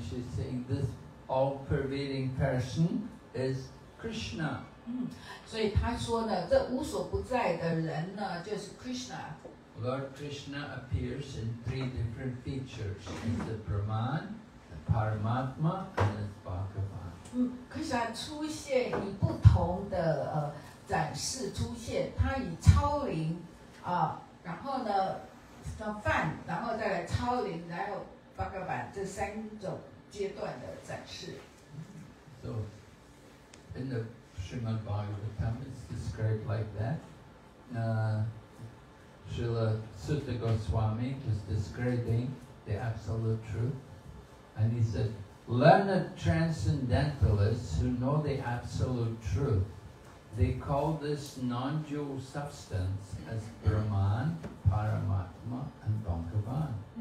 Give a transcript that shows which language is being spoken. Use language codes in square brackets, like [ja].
[en] she's saying this all-pervading person is Krishna. [zh] 所以他说呢，这无所不在的人呢，就是 Krishna. [en] Lord Krishna appears in three different features: as the Brahman, the Paramatma, and the Bhagavan. [zh] Krishna 出现以不同的展示出现，他以超灵，然后呢，范，然后再来超灵，然后 Bhagavan 这三种阶段的展示。 [en] So in the Srimad Bhagavatam, it's described like that. Srila Sutta Goswami was describing the absolute truth, and he said, learned transcendentalists who know the absolute truth, they call this non-dual substance as Brahman, Paramatma, and Bhagavan.